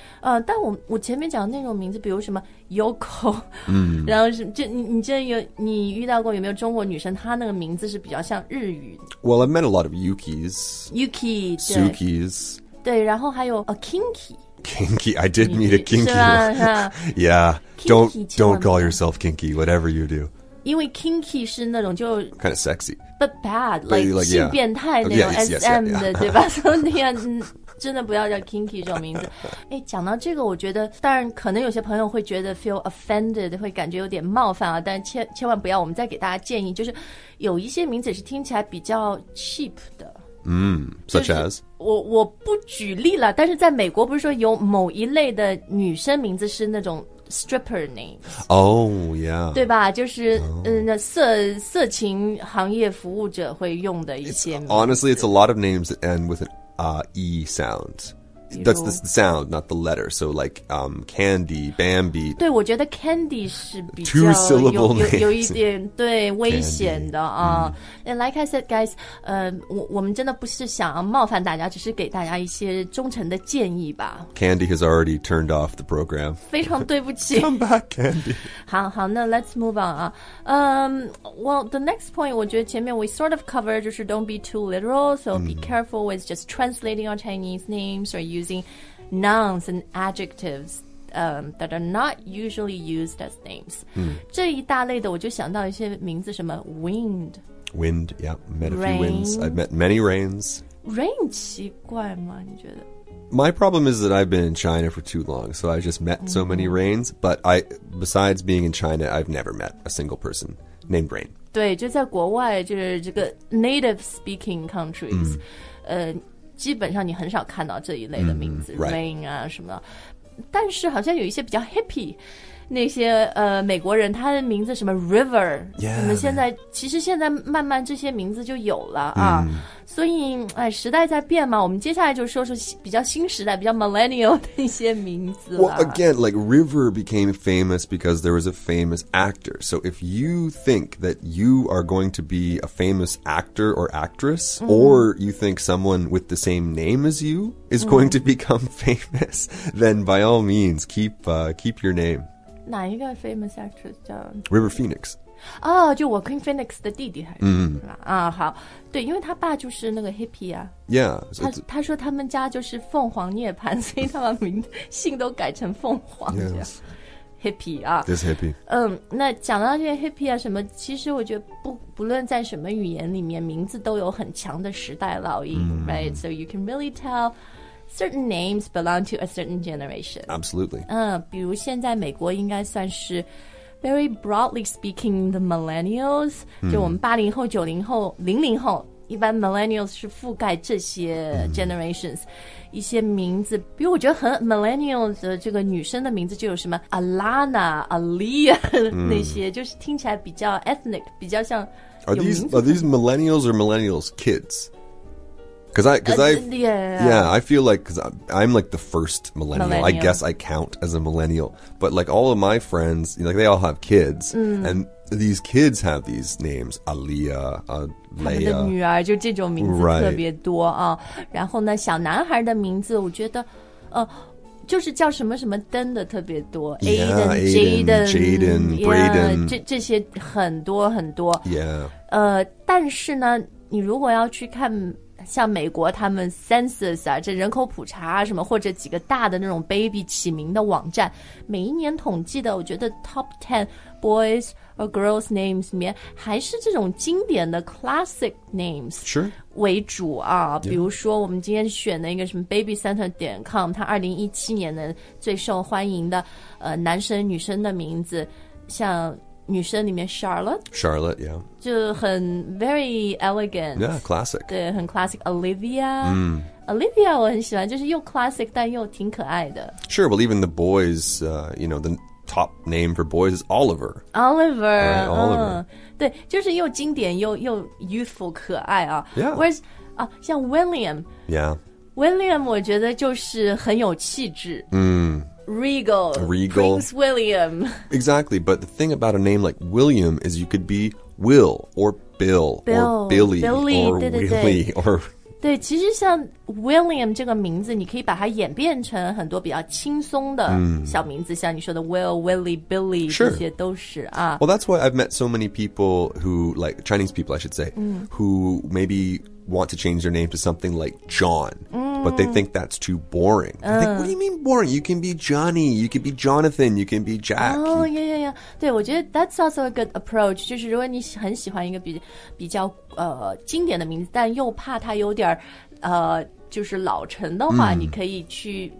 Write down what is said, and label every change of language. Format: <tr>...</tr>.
<zh>但我前面讲的那种名字比如什么 Yoko, 然后就你遇到过有没有中国女生她那个名字是比较像日语。</zh> <en>Well, I've met a lot of Yukis. Yuki, Sukis.</en> <zh>对，然后还有 a kinky.</zh> <en>Kinky, I did meet a kinky.</en> <zh>是吧是吧</zh> <en>yeah, don't call yourself kinky, whatever you do.</en> <zh>因为 kinky 是那种就</zh> <en>kind of sexy, but bad, like yeah.</en> <zh>性变态那种 SM 的</zh> <en>yeah.</en> <zh>对吧？所以真的不要叫 kinky 这种名字。哎，讲到这个，我觉得当然可能有些朋友会觉得</zh> <en>feel offended,</en> <zh>会感觉有点冒犯啊，但千万不要。我们再给大家建议，就是有一些名字是听起来比较 cheap 的。</zh> <en>Such as?</en> <zh>我不举例了，但是在美国不是说有某一类的女生名字是那种</zh> <en>stripper name? Oh, yeah.</en> <zh>对吧，就是、色情行业服务者会用的一些名字。</zh> <en>Honestly, it's a lot of names that end with an E sound. That's the sound, not the letter. So like Candy, Bambi.</en> <zh>对，我觉得 Candy 是比较</zh> <en>two syllable names.</en> <zh>有一点对危险的啊。</zh> <en>And like I said, guys,</en> <zh>我们真的不是想要冒犯大家，只是给大家一些忠诚的建议吧。</zh> <en>Candy has already turned off the program.</en> <zh>非常对不起。</zh> <en>Come back, Candy.</en> <zh>好，那</zh> <en>let's move on 啊。 Well, the next point,</en> <zh>我觉得前面</zh> <en>we sort of covered,</en> <zh>就是</zh> <en>don't be too literal, so be careful with just translating our Chinese names or using nouns and adjectives that are not usually used as names.</en> <zh>这一大类的我就想到一些名字什么 wind.</zh> <en>Wind, yeah. Met a few winds. I've met many rains.</en> <zh>Rain 奇怪吗你觉得</zh> <en>My problem is that I've been in China for too long, so I've just met so many rains. But I, besides being in China, I've never met a single person named Rain.</en> <zh>对就在国外就是这个</zh> <en>native speaking countries.</en> <zh>基本上你很少看到这一类的名字 Rain 啊什么的但是好像有一些比较 hippie 那些美国人他的名字什么 River 我们现在其实现在慢慢这些名字就有了啊所以哎，时代在变嘛我们接下来就说说比较新时代比较 millennial 的一些名字</zh> <en>Well again like River became famous because there was a famous actor so if you think that you are going to be a famous actor or actress or you think someone with the same name as you is going to become famous then by all means keep your name</en> <zh>哪一个 famous actress 叫</zh> <en>River Phoenix</en> <zh>哦、就 Joaquin Phoenix 的弟弟还是啊、好对因为他爸就是那个 hippie 啊</zh> <en>yeah,</en> <zh>他说他们家就是凤凰涅槃所以他把名姓都改成凤凰</zh> <en>yes.</en> <zh>hippie 啊</zh> <en>this hippie</en> <zh>那讲到这些 hippie 啊什么其实我觉得不论在什么语言里面名字都有很强的时代烙印、</zh> <en>right so you can really tellCertain names belong to a certain generation. Absolutely.</en> <zh>比如现在美国应该算是</zh> <en>very broadly speaking the millennials,、</en> <zh>就我们80后、90后、00后,一般 millennials 是覆盖这些 generations,、一些名字,比如我觉得很 millennials 的这个女生的名字就有什么 Alana, Aaliyah,、那些就是听起来比较 ethnic, 比较像</zh> <en>Are these millennials or millennials kids? Because I feel like because I'm like the first millennial. I guess I count as a millennial. But like all of my friends, you know, like they all have kids. And these kids have these names, Aaliyah, Leia.</en> <zh>他们的女儿就这种名字特别多啊。然后呢，小男孩的名字，我觉得，就是叫什么什么灯的特别多</zh> <en>，Aiden, Jaden, Brayden,</en> <zh>这些很多很多。</zh> <en>Yeah.</en> <zh>但是呢，你如果要去看。像美国他们 census 啊，这人口普查啊什么，或者几个大的那种 baby 起名的网站，每一年统计的，我觉得</zh> <en>top 10 boys or girls names</en> <zh>里面还是这种经典的</zh> <en>classic names、 sure.</en> <zh>为主啊。比如说我们今天选的一个什么 babycenter.com， 它2017年的最受欢迎的男生女生的名字，像女生里面 Charlotte</zh> <en>yeah</en> <zh>就很</zh> <en>very elegant yeah classic</en> <zh>对很 classic Olivia、Olivia 我很喜欢就是又 classic 但又挺可爱的</zh> <en>sure well even the boys、you know the top name for boys is Oliver</en> <zh>right, Oliver、对就是又经典 又 youthful 可爱啊</zh> <en>yeah whereas、</en> <zh>像</zh> <en>William yeah</en> <zh>William 我觉得就是很有气质嗯、mm.</zh> <en>Regal, Prince William. Exactly, but the thing about a name like William is you could be Will or Bill or Billy or</en> <zh>对对对</zh> <en>Willie or...</en> <zh>对，其实像 William 这个名字你可以把它演变成很多比较轻松的小名字、mm. 像你说的 Will, Willie, Billy、</zh> <en>sure.</en> <zh>这些都是啊。</zh> <en>Well, that's why I've met so many people who, like Chinese people, I should say,、 mm. who maybe... want to change their name to something like John、but they think that's too boring、think, what do you mean boring you can be Johnny you can be Jonathan you can be Jack oh yeah yeah yeah</en> <zh>对我觉得</zh> <en>that's also a good approach</en> <zh>就是如果你很喜欢一个比较、经典的名字但又怕它有点、就是老成的话、你可以去</zh>